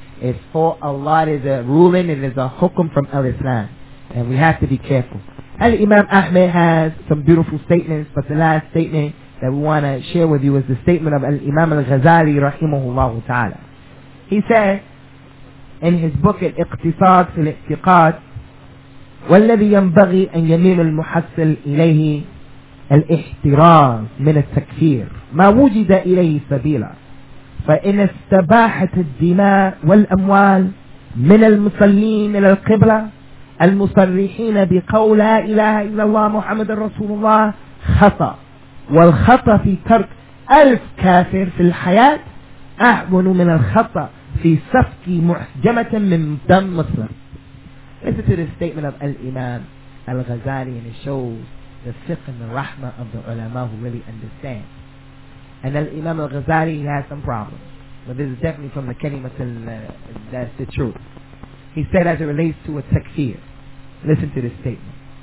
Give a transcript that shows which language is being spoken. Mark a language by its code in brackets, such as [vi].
[en] It's for Allah, it is a ruling, it is a hukum from al-Islam. And we have to be careful. Al-Imam Ahmed has some beautiful statements, but the last statement that we want to share with you is the statement of Al-Imam Al-Ghazali, rahimahullah ta'ala. He said, in his book [ar] Al-Iqtisad fi Al-Iqtiqad, والذي ينبغي أن يميل المحصل إليه الاحتراز من التكفير ما وجد إليه سبيلا فإن استباحة الدماء والأموال من المصلين إلى القبلة المصرحين بقول لا إله إلا الله محمد رسول الله خطأ والخطأ في ترك 1000 كافر في الحياة أعون من الخطأ في سفك محجمة من دم مصر. [en] Listen to the statement of Al-Imam Al-Ghazali, and it shows the fiqh and the rahmah of the ulama who really understand. And Al-Imam Al-Ghazali, he has some problems, but this is definitely from the kalimah, that's the truth. He said, as it relates to a takfir, listen to this statement.